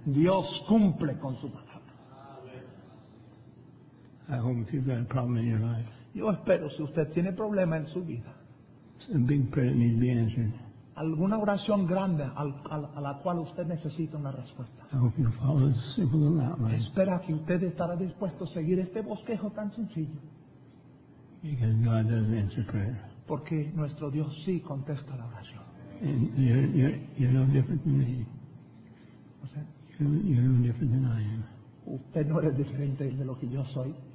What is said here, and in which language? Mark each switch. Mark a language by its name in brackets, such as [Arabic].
[Spanish] Dios cumple con su palabra. [English] I hope if you've got a problem in your life, [Spanish] yo espero si usted tiene problema en su vida, [English] a big prayer needs to be answered. [Spanish] Alguna oración grande a la cual usted necesita una respuesta. [English] I hope you follow the simple outline. [Spanish] Espera que usted estará dispuesto a seguir este bosquejo tan sencillo. [English] Because God doesn't answer prayer. [Spanish] Porque nuestro Dios sí contesta la oración. [English] And you're no different than me. What's that? You're no different than I am. [Spanish] Usted no es diferente de lo que yo soy.